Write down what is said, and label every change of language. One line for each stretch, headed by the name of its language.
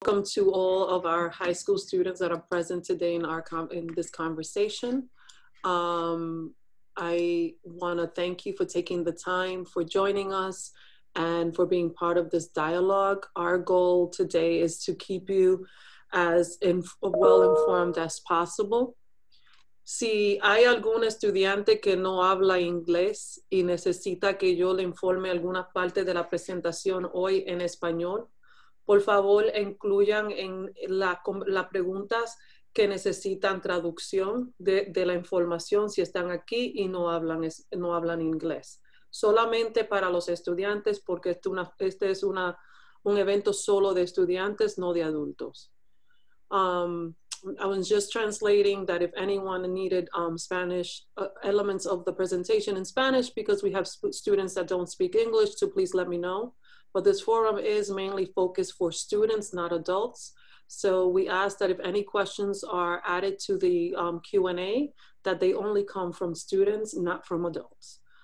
English: Welcome to all of our high school students that are present today in our in this conversation. I want to thank you for taking the time, for joining us, and for being part of this dialogue. Our goal today is to keep you as well informed as possible.
Spanish: Si hay algún estudiante que no habla inglés y necesita que yo le informe alguna parte de la presentación hoy en español, por favor, incluyan en las preguntas que necesitan traducción de la información si están aquí y no hablan inglés. Solamente para los estudiantes, porque este es un evento solo de estudiantes, no de adultos.
English: I was just translating that if anyone needed Spanish elements of the presentation in Spanish, because we have students that don't speak English, so please let me know. But this forum is mainly focused for students, not adults. So we ask that if any questions are added to the Q&A, that they only come from students, not from adults.